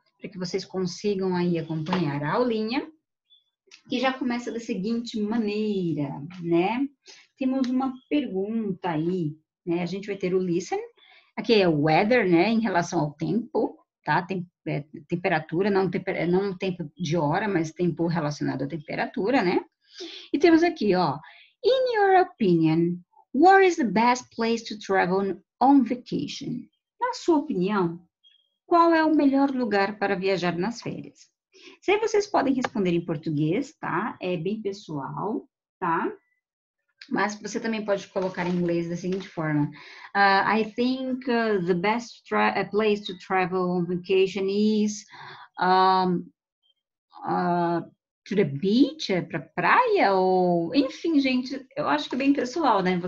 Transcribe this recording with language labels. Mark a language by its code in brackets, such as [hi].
[pt] Para que vocês consigam aí acompanhar a aulinha. Que já começa da seguinte maneira, né? Temos uma pergunta aí, né? A gente vai ter o listen, aqui é o weather, né? Em relação ao tempo, tá? Temperatura, não tempo de hora, mas tempo relacionado à temperatura, né? E temos aqui, ó. [en] In your opinion, where is the best place to travel on vacation? [pt] Na sua opinião, qual é o melhor lugar para viajar nas férias? Se vocês podem responder em português, tá? É bem pessoal, tá? Mas você também pode colocar em inglês da seguinte forma. [en] I think the best place to travel on vacation is to the beach, [pt] para praia ou enfim, gente, eu acho que é bem pessoal, né?